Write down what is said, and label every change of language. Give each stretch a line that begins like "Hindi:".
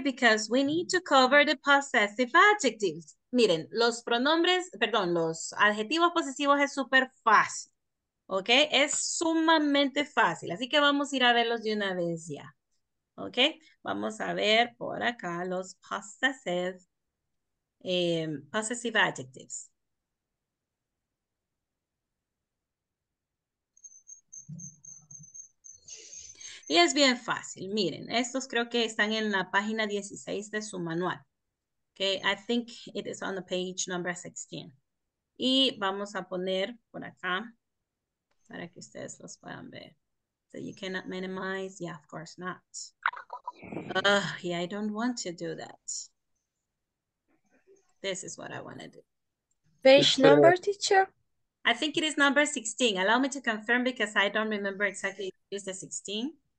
English: Because we need to cover the possessive adjectives.
Spanish: Miren, los pronombres, perdón, los adjetivos posesivos es súper fácil, okay? Es sumamente fácil, así que vamos a ir a verlos de una vez ya, okay? Vamos a ver por acá los possessive adjectives. Y es bien fácil, miren, estos creo que están en la página 16 de su manual.
English: Okay, I think it is on the page number 16.
Spanish: Y vamos a poner por acá para que ustedes los puedan ver.
English: So you cannot minimize, yeah, of course not. Yeah, I don't want to do that. This is what I want to do. Page number, teacher? I think it is number 16. Allow me to confirm because I don't remember exactly if it is the 16.